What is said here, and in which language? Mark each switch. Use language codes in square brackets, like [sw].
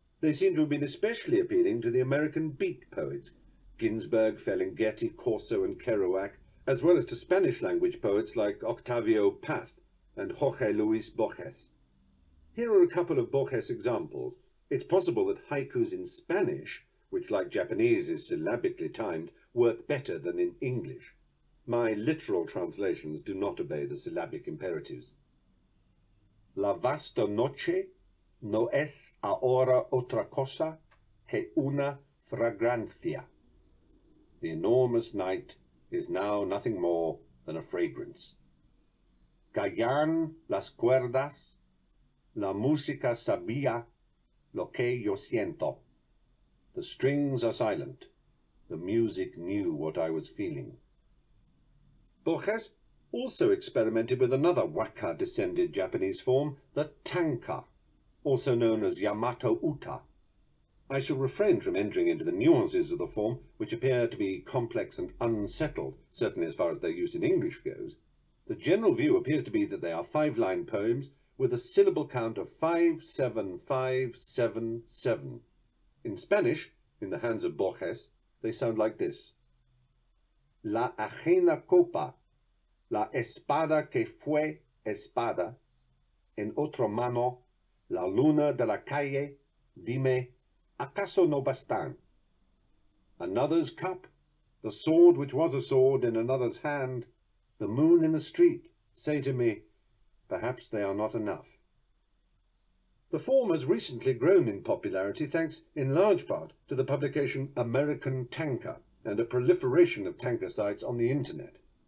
[en] They seem to have been especially appealing to the American beat poets, Ginsberg, Ferlinghetti, Corso, and Kerouac, as well as to Spanish-language poets like Octavio Paz and Jorge Luis Borges. Here are a couple of Borges' examples. It's possible that haikus in Spanish, which, like Japanese, is syllabically timed, work better than in English. My literal translations do not obey the syllabic imperatives. [es] La vasta noche no es ahora otra cosa que una fragrancia. [en] The enormous night is now nothing more than a fragrance. [es] Callan las cuerdas, la música sabía lo que yo siento. [en] The strings are silent, the music knew what I was feeling. Borges also experimented with another waka-descended Japanese form, the tanka, also known as Yamato Uta. I shall refrain from entering into the nuances of the form, which appear to be complex and unsettled, certainly as far as their use in English goes. The general view appears to be that they are five-line poems with a syllable count of 5-7-5-7-7. In Spanish, in the hands of Borges, they sound like this. [es] La ajena copa, la espada que fue espada, en otro mano, la luna de la calle, dime, acaso no bastan? [en] Another's cup, the sword which was a sword in another's hand, the moon in the street, say to me, perhaps they are not enough. The form has recently grown in popularity thanks, in large part, to the publication American Tanka and a proliferation of tanka sites on the internet.